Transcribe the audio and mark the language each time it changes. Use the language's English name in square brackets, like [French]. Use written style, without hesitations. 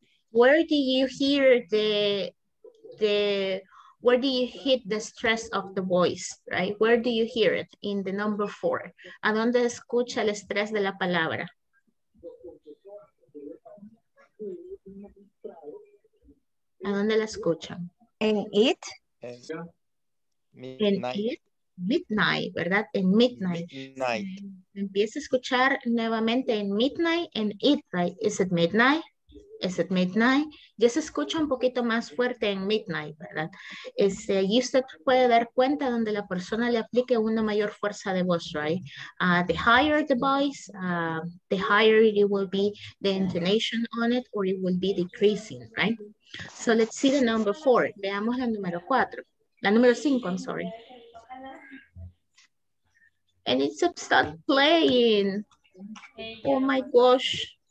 [English] Where do you hear the where do you hit the stress of the voice, right? Where do you hear it? In the number four. [Spanish] ¿A dónde escucha el estrés de la palabra? ¿A dónde la escuchan? En it. En it. Midnight, ¿verdad? En midnight. [English] Midnight. [Spanish] Empieza a escuchar nuevamente en midnight, en it, [English] right? Is it midnight? [Spanish] Is it midnight? Ya se escucha un poquito más fuerte en midnight, ¿verdad? Y usted puede dar cuenta donde la persona le aplique una mayor fuerza de voz, right? [English] The higher the voice, the higher it will be the intonation on it, or it will be decreasing, right? So let's see the number four. [Spanish] Veamos la número cuatro. La número cinco, [English] I'm sorry. And it's start playing. Oh my gosh.